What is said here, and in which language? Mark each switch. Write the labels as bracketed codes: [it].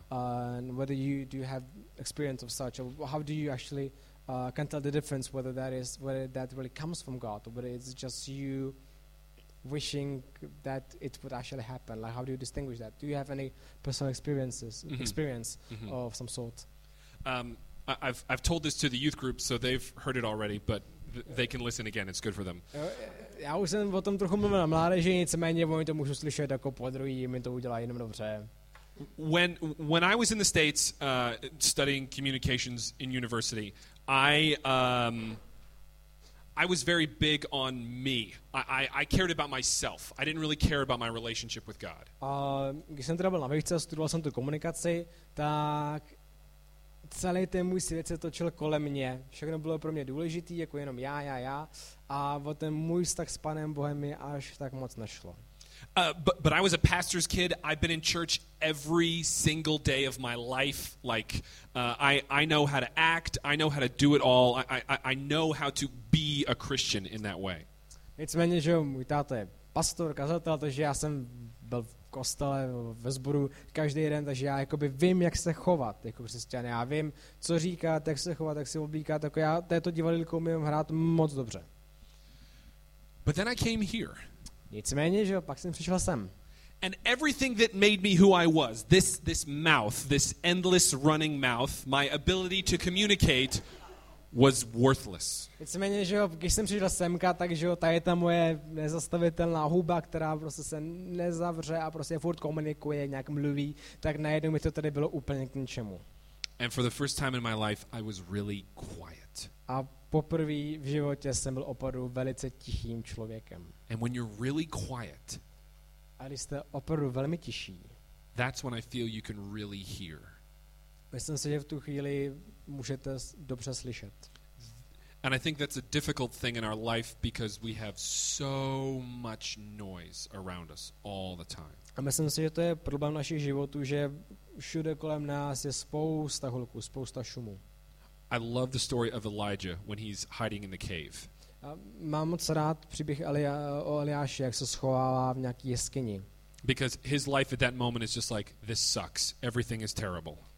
[en] And whether you do you have experience of such, or how do you actually can tell the difference whether that really comes from God, or whether it's just you wishing that it would actually happen. Like, how do you distinguish that? Do you have any personal experiences, mm-hmm. experience mm-hmm. of some sort? I've told this to the youth group, so they've heard it already, but they can listen again, it's good for them. [cs] Já už jsem o tom trochu mluvil na mládeži, nicméně oni to můžu slyšet jako podruhý, mi to udělá jenom dobře. [en] When I was in the States studying communications in university, I was very big on me. I cared about myself. I didn't really care about my relationship with God. [cs] Když jsem teda byl na výšce, studoval jsem tu komunikaci, tak celý ten můj svět se točil kolem mě. Všechno bylo pro mě důležitý, jako jenom já. A o ten můj vztah s Panem Bohem mi až tak moc nešlo. [en] But I was a pastor's kid. I've been in church every single day of my life. Like, I know how to act. I know how to do it all. I know how to be a Christian in that way. [cs] Nicméně, že můj táta je pastor, kazatel, takže já jsem byl kostele, ve sboru, každý den, takže já jakoby vím, jak se chovat jako křesťan, já vím, co říkat, jak se chovat, jak se oblíkat, jako já této divadelko umím hrát moc dobře. [en] But then I came here. [cs] Nicméně, že jo, pak jsem přišel sem. [en] And everything that made me who I was, this mouth, this endless running mouth, my ability to communicate was worthless. [cs] Nicméně, že jo, když jsem přišel semka, takže jo, ta je ta moje nezastavitelná huba, která prostě se nezavře a prostě furt komunikuje, nějak mluví, tak najednou mi to tady bylo úplně k ničemu. [en] And for the first time in my life, I was really quiet. [cs] A poprvé v životě jsem byl opravdu velice tichým člověkem. [en] And when you're really quiet, [cs] a když jste opravdu velmi tiší, [en] that's when I feel you can really hear. [cs] Myslím si, že v tu chvíli můžete dobře slyšet. [en] And I think that's a difficult thing in our life because we have so much noise around us all the time. [cs] A myslím si, že to je problém našich životů, že všude kolem nás je spousta hluku, spousta šumu. [en] I love the story of Elijah when he's hiding in the cave. [cs] Mám moc rád příběh o Eliáši, jak se schovává v nějaký jeskyni. [en] Because his life at that moment is just like, this sucks, everything is terrible.